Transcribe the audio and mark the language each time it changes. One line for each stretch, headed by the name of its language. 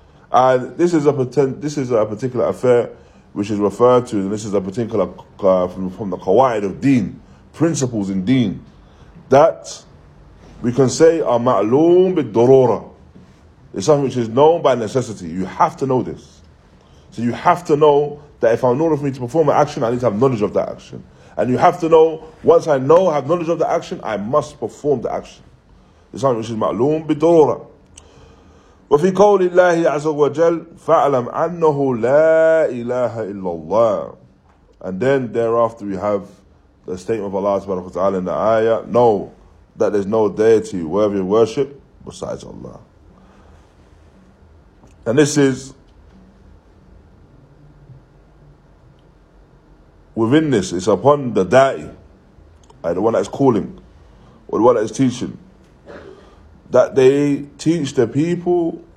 English: And this is a particular affair which is referred to, and this is a particular from the qawaid of deen, principles in deen, that we can say are
Arabic: ma'loom bid darura.
English: It's something which is known by necessity. You have to know this. So you have to know that if in order for me to perform an action, I need to have knowledge of that action. And you have to know, once I know, have knowledge of the action, I must perform the action. It's something which is
Arabic: ma'loom bid darura. وفي قول الله عز وجل فاعلم أنه لا إله إلا الله.
English: And then thereafter we have the statement of Allah subhanahu wa ta'ala in the ayah, know that there's no deity worthy of worship besides Allah. And this is within this, it's upon the da'i, like the one that's calling or the one that's teaching, that they teach the people.